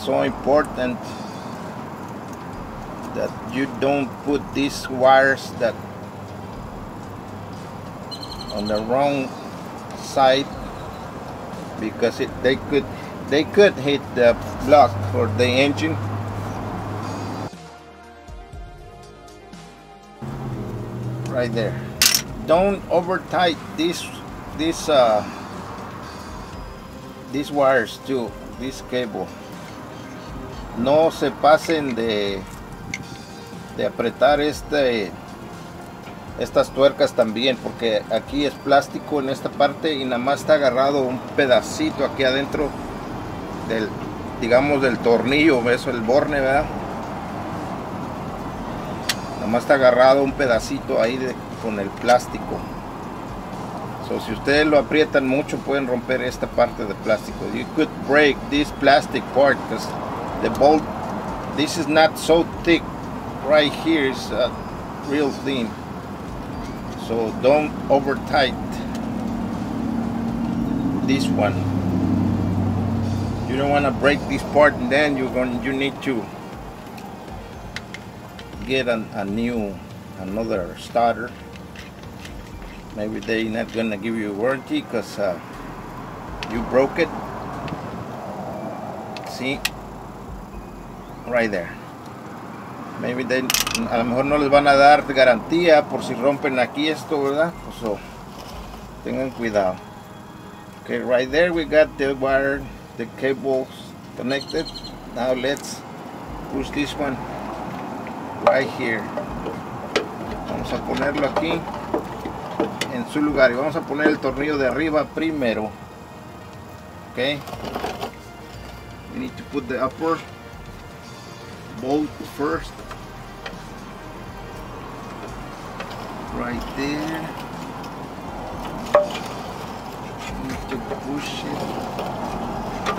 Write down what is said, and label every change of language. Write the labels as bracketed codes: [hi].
[en] so important that you don't put these wires that on the wrong side, because they could hit the block for the engine. Right there. Don't over tight these wires to this cable. [es] No se pasen de apretar estas tuercas también, porque aquí es plástico en esta parte y nada más está agarrado un pedacito aquí adentro del, digamos, del tornillo, eso, el borne, ¿verdad? Nada más está agarrado un pedacito ahí de, con el plástico. So, si ustedes lo aprietan mucho, pueden romper esta parte de plástico. [en] You could break this plastic part, because the bolt, this is not so thick. Right here is real thin. So don't over tight this one. You don't want to break this part, and then you need to get another starter. Maybe they're not gonna give you a warranty because you broke it. See? Right there. Maybe they, [es] a lo mejor no les van a dar garantía por si rompen aquí esto, ¿verdad? So, tengan cuidado. [en] Okay, right there we got the wire, the cables connected. Now let's push this one right here. [es] Vamos a ponerlo aquí en su lugar y vamos a poner el tornillo de arriba primero. [en] Okay. We need to put the upper bolt first. Right there. Need to push it.